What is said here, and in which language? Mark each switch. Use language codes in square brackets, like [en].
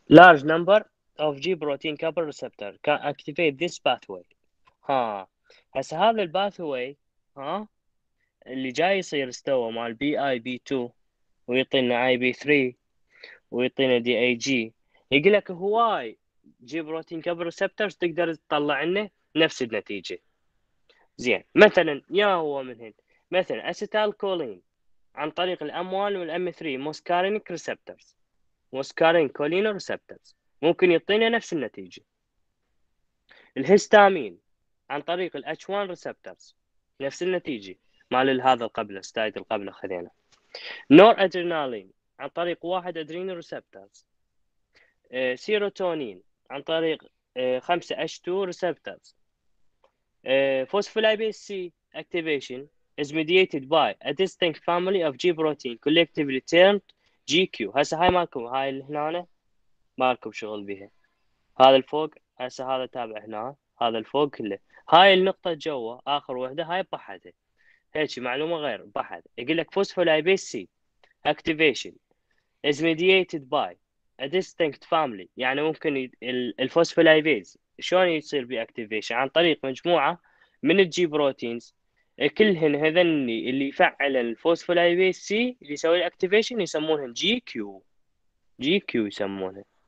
[en] Large number of G protein coupled receptor can activate this pathway. ها. [ar] هسه هذا الباثوي ها اللي جاي يصير استوى مع البي اي بي 2 ويعطينا اي بي 3 ويعطينا دي اي جي، يقول لك هواي جي بروتين كبر ريسبتورز تقدر تطلع لنا نفس النتيجه. زين، مثلا يا هو منهن مثلا اسيتال كولين عن طريق الام 1 والام 3 موسكارينيك ريسبتورز، موسكارين كولين ريسبتورز ممكن يعطينا نفس النتيجه. الهستامين عن طريق ال H1 receptors نفس النتيجة مال هذا القبلة، ستايد القبلة خذينا. نور أدرينالين عن طريق واحد أدرينو receptors، سيروتونين عن طريق 5 H2 receptors، فوسفولايبيز سي [en] activation is mediated by a distinct family of G protein collectively termed GQ. [ar] هسه هاي مالكم، هاي اللي هنا مالكم شغل بها، هذا الفوق هسه هذا تابع هنا، هذا الفوق كله، هاي النقطة جوا آخر وحدة هاي بحثة، هيك معلومة غير بحث. يقول لك فوسفولايبيز سي [en] activation is mediated by a distinct family، [ar] يعني ممكن الفوسفولايبيز شلون يصير بي activation عن طريق مجموعة من الجي بروتينز كلهن هذني اللي يفعل الفوسفولايبيز سي اللي يسوي الاكتيفيشن يسمونهن جي كيو، جي كيو يسمونهن.